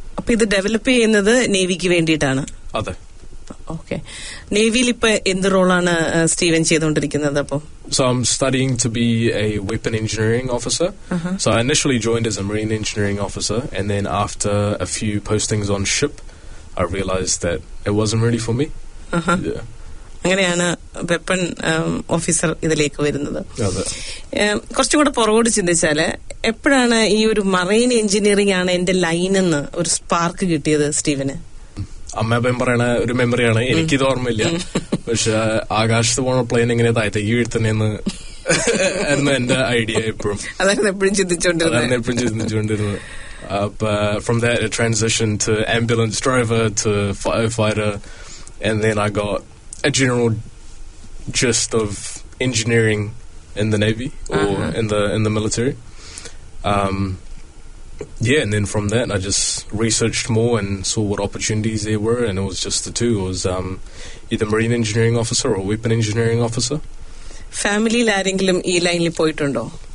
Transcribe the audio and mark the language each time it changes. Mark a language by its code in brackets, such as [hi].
[ml] അപ്പോൾ ഇത് ഡെവലപ്പ് ചെയ്യുന്നത് നേവിക്ക് വേണ്ടിയിട്ടാണ്? അതെ. ഓക്കെ, നേവിയിൽ ഇപ്പൊ എന്ത് റോളാണ് സ്റ്റീവൻ ചെയ്തുകൊണ്ടിരിക്കുന്നത് അപ്പോ? [en] So I'm studying to be a weapon engineering officer. Uh-huh. So I initially joined as a marine engineering officer, and then after a few postings on ship, I realized that it wasn't really for me. Uh-huh. Yeah. [ml] അങ്ങനെയാണ് weapon officer ഇതിലേക്ക് വരുന്നത്. കുറച്ചുകൂടെ പുറകോട് ചിന്തിച്ചാല് എപ്പോഴാണ് ഈ ഒരു marine engineering ആണ് എന്റെ line എന്ന് ഒരു സ്പാർക്ക് കിട്ടിയത് സ്റ്റീവന്? അമ്മയപ്പം പറയണ ഒരു മെമ്മറിയാണ്, എനിക്കിത് ഓർമ്മയില്ല. പക്ഷെ ആകാശത്ത് പോണ പ്ലെയിൻ എങ്ങനെ താഴ്ത്ത ഈ എഴുത്തന്നെയെന്ന് ആയിരുന്നു എന്റെ ഐഡിയ എപ്പോഴും. ചിന്തിച്ചോണ്ടിരുന്നത് [en] from that it transitioned to ambulance driver to firefighter, and then I got a general gist of engineering in the Navy or uh-huh. in the military. Yeah, and then from that I just researched more and saw what opportunities there were, and it was just the two. It was either marine engineering officer or weapon engineering officer. [ml] Family ആരെങ്കിലും ഈ ലൈനിൽ പോയിട്ടുണ്ടോ?